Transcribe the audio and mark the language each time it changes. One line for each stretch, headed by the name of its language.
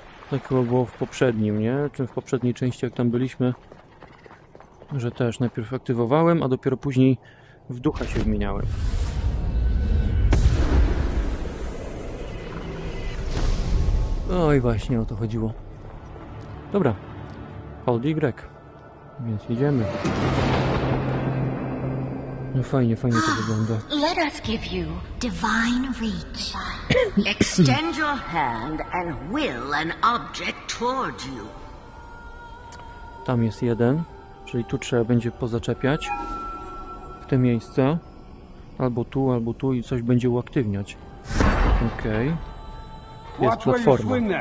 Polish: Tak chyba było w poprzednim, nie? Czy w poprzedniej części, jak tam byliśmy, że też najpierw aktywowałem, a dopiero później w ducha się zmieniałem. Oj, właśnie o to chodziło. Dobra, hold Y, więc idziemy. No fajnie, fajnie to wygląda.
English: Let us give you divine reach. Extend your hand and will an object toward you.
Polish: Tam jest jeden, czyli tu trzeba będzie pozaczepiać w te miejsce. Albo tu i coś będzie uaktywniać. Okej. Okay. Jest platforma.